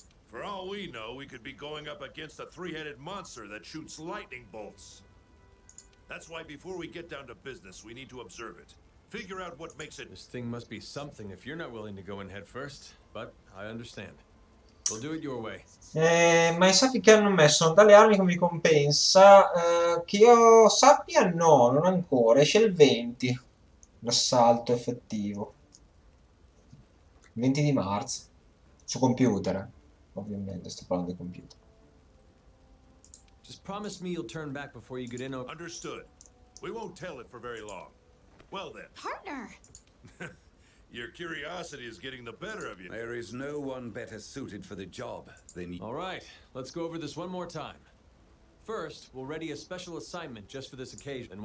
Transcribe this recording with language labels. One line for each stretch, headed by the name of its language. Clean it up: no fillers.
English: For all we know, we could be going up against a three-headed monster that shoots lightning bolts. That's why before we get down to business, we need to observe it. Figure out what makes it... This thing must be something if you're not willing to go in head first, but I understand.
Italian: Ma i sacchi che hanno messo sono dalle armi come ricompensa? Che io sappia, no, non ancora. Esce il 20, l'assalto effettivo. 20 di marzo, su computer, ovviamente, sto parlando di computer.
English: Just promise me you'll turn back before you get in. Understood. We won't tell it for very long. Well then. Partner! Your curiosity is getting the better of you. There is no one better suited for the job than you. All right, let's go over this one more time. First, we'll ready a special assignment just for this occasion.